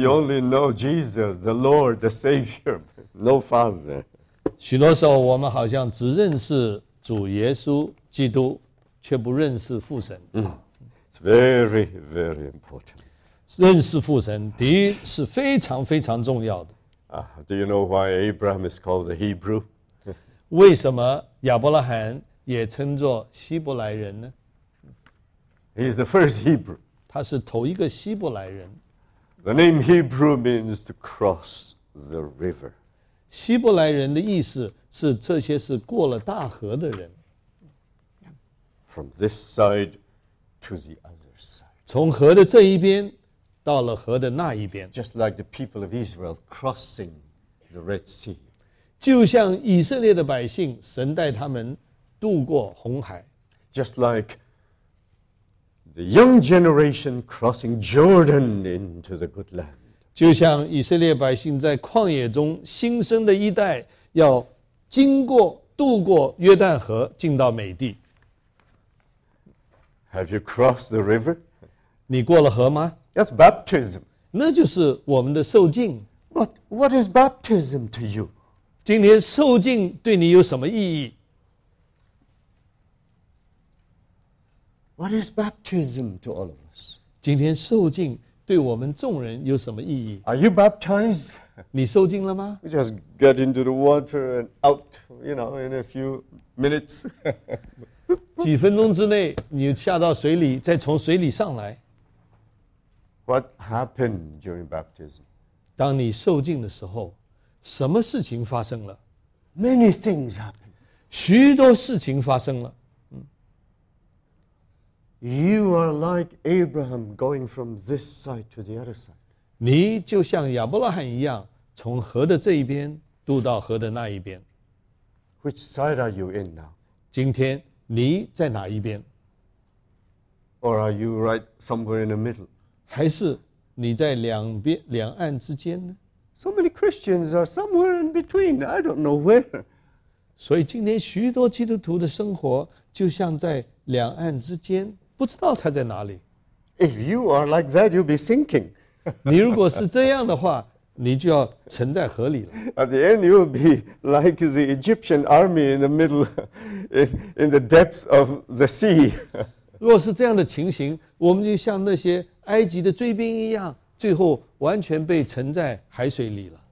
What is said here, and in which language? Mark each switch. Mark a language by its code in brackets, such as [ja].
[en] You only know Jesus, the Lord, the Savior. No father. [zh] 许多时候我们好像只认识主耶稣基督，却不认识父神。 [en] It's very, very important. [zh] 认识父神的确是非常非常重要的。 [en] Do you know why Abraham is called a Hebrew? [zh] 为什么亚伯拉罕也称作希伯来人呢？ [en] He is the first Hebrew. [zh] 他是头一个希伯来人。 [en] The name Hebrew means to cross the river. [zh] 希伯来人的意思是这些是过了大河的人。 [en] From this side to the other side. [zh] 从河的这一边到了河的那一边。 [en] Just like the people of Israel crossing the Red Sea. [zh] 就像以色列的百姓，神带他们渡过红海。 [en] Just like the young generation crossing Jordan into the good land. [zh] 就像以色列百姓在旷野中新生的一代要经过渡过约旦河进到美地。 [en] Have you crossed the river? [zh] 你过了河吗？ [en] That's baptism. [zh] 那就是我们的受浸。 [en] But what is baptism to you? [zh] 今天受浸对你有什么意义？ [en] What is baptism to all of us? [zh] 今天受浸对我们众人有什么意义？ [en] Are you baptized? [zh] 你受浸了吗？ [en] You just get into the water and out, you know, in a few minutes. [zh] 几分钟之内你下到水里，再从水里上来。 [en] What happened during baptism? [zh] 当你受浸的时候，什么事情发生了？ [en] Many things happened. [zh] 许多事情发生了。 [en] You are like Abraham going from this side to the other side. [zh] 你就像亚伯拉罕一样，从河的这一边渡到河的那一边。 [en] Which side are you in now? [zh] 今天你在哪一边？ [en] Or are you right somewhere in the middle? [zh] 还是你在两边两岸之间呢？ [en] So many Christians are somewhere in between. I don't know where. [zh] 所以今天许多基督徒的生活就像在两岸之间。不知道他在哪里。 [en] If you are like that, you'll be sinking. [zh] 你如果是这样的话，你就要沉在河里了。 [en] At the end, you'll be like the Egyptian army in the middle, in the depths of the sea. [zh] 如果是这样的情形，我们就像那些埃及的追兵一样，最后完全被沉在海水里了。